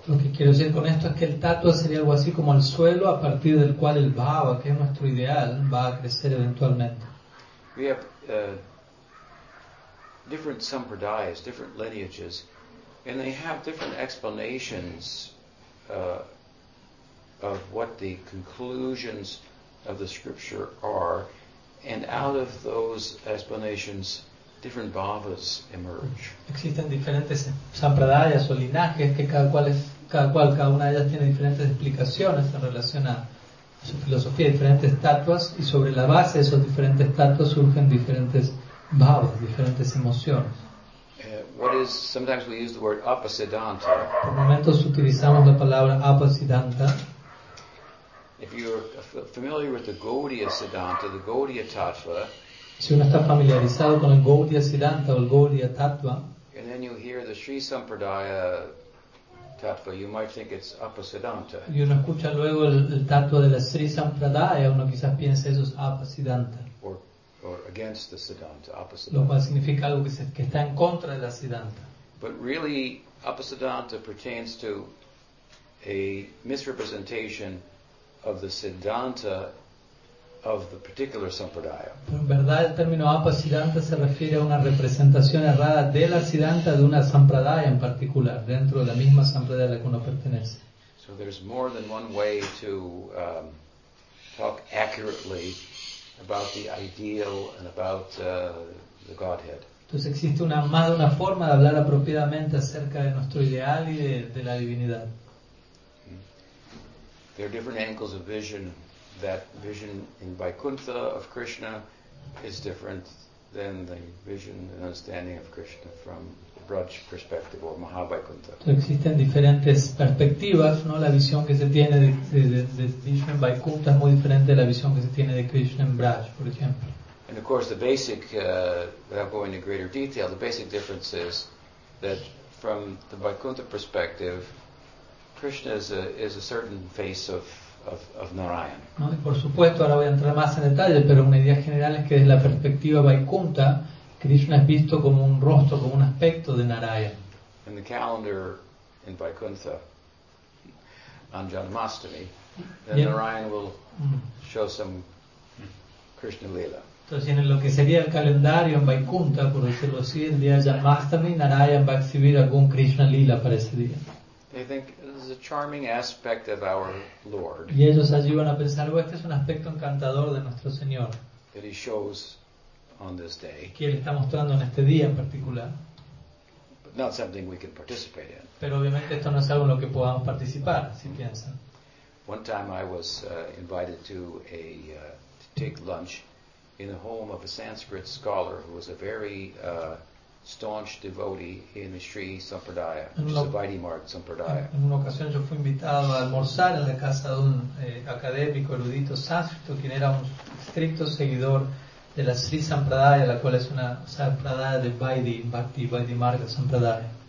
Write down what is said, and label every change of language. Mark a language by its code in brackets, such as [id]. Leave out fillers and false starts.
[es] Lo que quiero decir con esto es que el tattva sería algo así como el suelo a partir del cual el bhava, que es nuestro ideal, va a crecer eventualmente. [en] We have different sampradayas, different lineages, and they have different explanations of what the conclusions of the scripture are. And out of those explanations, different bhavas emerge. [es] Existen diferentes sampradayas o linajes que cada una de ellas tiene diferentes explicaciones en relación su filosofía, diferentes estatuas, y sobre la base de esos diferentes estatuas surgen diferentes bhavas, diferentes emociones. [en] Sometimes we use the word apasiddhanta. [es] Por momentos utilizamos la palabra apasiddhanta. [en] If you're familiar with the Gaudiya Siddhanta, the Gaudiya Tattva, [es] si uno está familiarizado con el Gaudiya Siddhanta o el Gaudiya Tattva, [en] and then you hear the Sri Sampradaya Tattva, you might think it's apasiddhanta. [es] Y uno escucha luego el Tattva de la Sri Sampradaya, uno quizás piensa eso es apasiddhanta. [en] Or against the Siddhanta, opposite. [es] Lo cual significa algo que está en contra de la Siddhanta. [en] But really, apasiddhanta pertains to a misrepresentation of the Siddhanta of the particular sampradaya. [es] En verdad, el término apasiddhanta se refiere a una representación errada de la Siddhanta de una sampradaya en particular, dentro de la misma sampradaya a la que uno pertenece. [en] So there's more than one way to talk accurately about the ideal and about the Godhead. [es] Entonces existe una más de una forma de hablar apropiadamente acerca de nuestro ideal y de la divinidad. [en] There are different angles of vision. That vision in Vaikuntha of Krishna is different than the vision and understanding of Krishna from the Braj perspective or Mahavaikuntha. [es] Entonces existen diferentes perspectivas, ¿no? La visión que se tiene de Krishna en Vaikuntha es muy diferente de la visión que se tiene de Krishna en Braj, por ejemplo. [en] And of course, the basic, without going into greater detail, the basic difference is that from the Vaikuntha perspective, Krishna is a certain face of Narayan. [es] ¿No? Y por supuesto, ahora voy a entrar más en detalle, pero una idea general es que desde la perspectiva Vaikuntha, Krishna es visto como un rostro, como un aspecto de Narayan. [en] In the calendar in Vaikuntha, on Janmashtami, Narayan will show some Krishna lila. [es] Entonces, en lo que sería el calendario en Vaikuntha, por decirlo así, el día de Janmashtami, Narayan va a exhibir algún Krishna lila para ese día. [en] They think this is a charming aspect of our Lord. [es] Y ellos allí van a pensar, oh, este es un aspecto encantador de nuestro Señor. [en] That he shows on this day. [es] Que él está mostrando en este día en particular. [en] But not something we can participate in. [es] Pero obviamente esto no es algo en lo que podamos participar, si piensan. [en] One time I was invited to to take lunch in the home of a Sanskrit scholar who was a very staunch devotee in the Sri Sampradaya, which is a Vaidhi Sampradaya. [es] En una ocasión yo fui invitado a almorzar en la casa de un académico erudito sánscrito, quien era un estricto seguidor de la Sri Sampradaya, la cual es una Sampradaya de Vaidhi, Bhakti, Vaidhi Marga Sampradaya.